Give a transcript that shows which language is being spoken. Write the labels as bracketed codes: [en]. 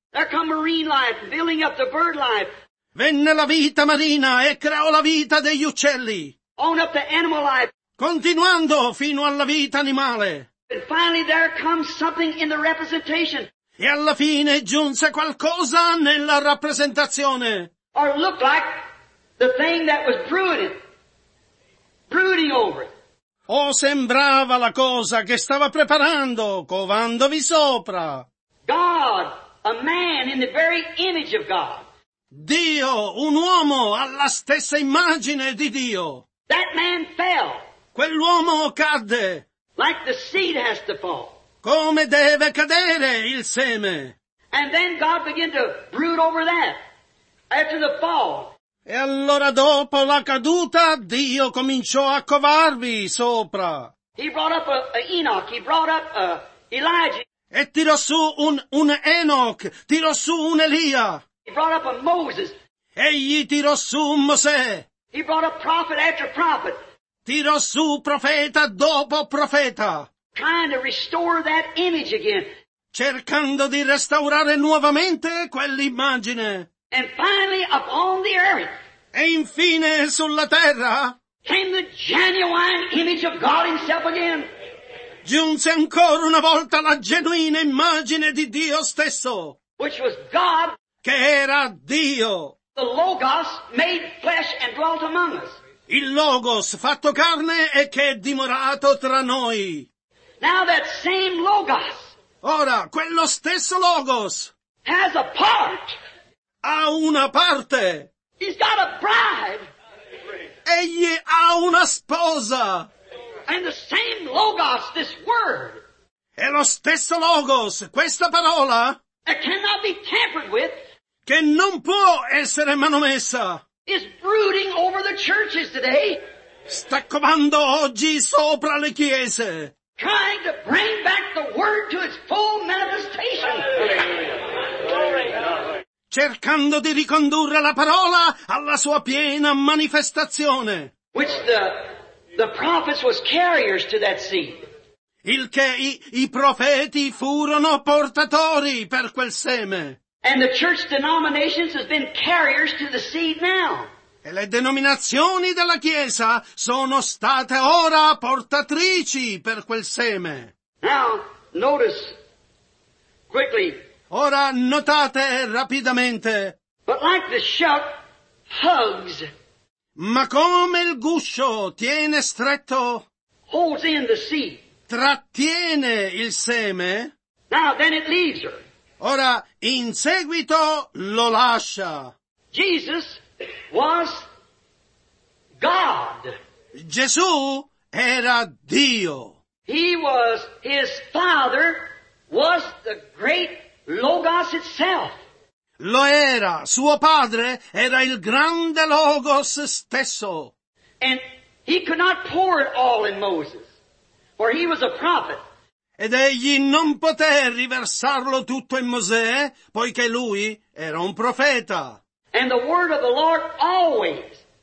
[en] There come marine life, filling up the bird life. [it] Venne la vita marina e creò la vita degli uccelli. [en] On up the animal life. [it] Continuando fino alla vita animale. [en] And finally there comes something in the representation. [it] E alla fine giunse qualcosa nella rappresentazione. [en] Or looked like the thing that was brooding over it. [it] O sembrava la cosa che stava preparando, covandovi sopra. [en] God, a man in the very image of God. [it] Dio, un uomo alla stessa immagine di Dio. [en] That man fell. [it] Quell'uomo cadde. [en] Like the seed has to fall. [it] Come deve cadere il seme. [en] And then God began to brood over that. After the fall. [it] E allora dopo la caduta, Dio cominciò a covarvi sopra. [en] He brought up a Enoch, he brought up a Elijah. [it] E tirò su un Enoch, tirò su un Elia. [en] He brought up a Moses. [it] Egli tirò su un Mosè. [en] He brought up prophet after prophet. [it] Tirò su profeta dopo profeta. [en] Trying to restore that image again. [it] Cercando di restaurare nuovamente quell'immagine. [en] And finally upon the earth. [it] E infine sulla terra. [en] Came the genuine image of God himself again. [it] Giunse ancora una volta la genuina immagine di Dio stesso. [en] Which was God. [it] Che era Dio. [en] The Logos made flesh and dwelt among us. [it] Il Logos fatto carne e che è dimorato tra noi. [en] Now that same Logos. [it] Ora, quello stesso Logos. [en] Has a part. [it] Ha una parte. [en] He's got a bride. [it] Egli ha una sposa. [en] And the same Logos, this word. [it] E lo stesso Logos, questa parola. [en] That cannot be tampered with. [it] Che non può essere manomessa. [en] Is brooding over the churches today. [it] Sta covando oggi sopra le chiese. [en] Trying to bring back the word to its full manifestation. [it] Cercando di ricondurre la parola alla sua piena manifestazione. [en] Which the prophets was carriers to that seed. [it] Il che i profeti furono portatori per quel seme. [en] And the church denominations have been carriers to the seed now. [it] E le denominazioni della Chiesa sono state ora portatrici per quel seme. [en] Now, notice, quickly. [it] Ora notate rapidamente. [en] But like the shuck hugs. [it] Ma come il guscio tiene stretto. [en] Holds in the seed. [it] Trattiene il seme. [en] Now, then it leaves her. [it] Ora, in seguito, lo lascia. [en] Jesus was God. [it] Gesù era Dio. [en] His father was the great Logos itself. [it] Lo era, suo padre era il grande Logos stesso. [en] And he could not pour it all in Moses, for he was a prophet. [it] Ed egli non poté riversarlo tutto in Mosè, poiché lui era un profeta. [en] And the word of the Lord always.